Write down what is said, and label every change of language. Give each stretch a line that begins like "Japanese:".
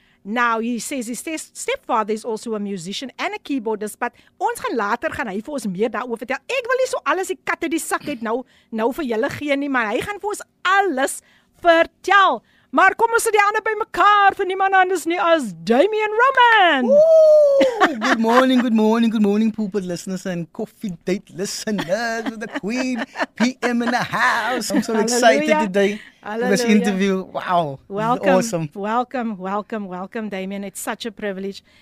English: Now, he says his stepfather is also a musician and a keyboardist, but
Afrikaans: ons gaan later gaan hy vir ons meer daarover vertel. Ek wil nie so alles die katte die sak het nou vir julle gee nie, maar hy gaan vir ons alles vertel. Maar kom ons sit die ander by mekaar vir niemand anders nie as Damian Roman.
English: Ooh, good morning, people listeners and coffee date listeners with the Queen PM in the house. I'm so excited today. This interview, wow. Welcome, awesome. Welcome, Damian. It's such a privilege.